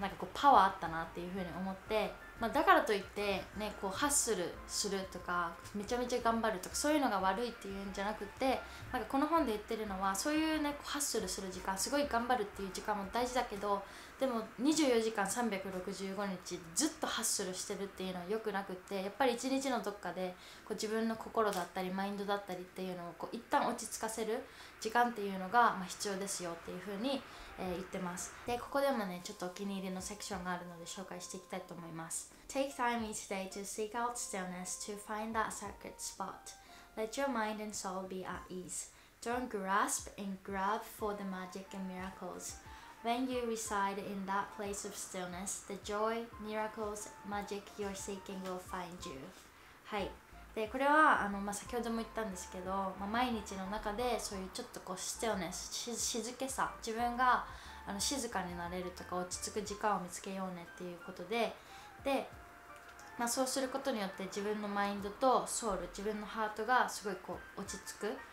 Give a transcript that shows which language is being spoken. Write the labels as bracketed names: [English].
[Japanese] なんかこうパワーあったなっていう風に思って、まあ、だからといって、ね、こうハッスルするとかめちゃめちゃ頑張るとか、そういうのが悪いっていうんじゃなくて、なんかこの本で言ってるのは、そういう、ね、こうハッスルする時間、すごい頑張るっていう時間も大事だけど、でも24時間365日ずっとハッスルしてるっていうのは良くなくて、やっぱり一日のどっかでこう自分の心だったりマインドだったりっていうのをこう一旦落ち着かせる時間っていうのが、まあ、必要ですよっていう風に、言ってます。で、ここでもね、ちょっとお気に入りのセクションがあるので紹介していきたいと思います。 [English] Take time each day to seek out stillness to find that sacred spot. Let your mind and soul be at ease. Don't grasp and grab for the magic and miracles. When you reside in that place of stillness, the joy, miracles, magic you're seeking will find you. [Japanese] はい。で、これはあの、まあ、先ほども言ったんですけど、まあ、毎日の中でそういうちょっとこうステオネス、静けさ、自分があの静かになれるとか落ち着く時間を見つけようねっていうことで、で、まあ、そうすることによって自分のマインドとソウル、自分のハートがすごいこう落ち着く。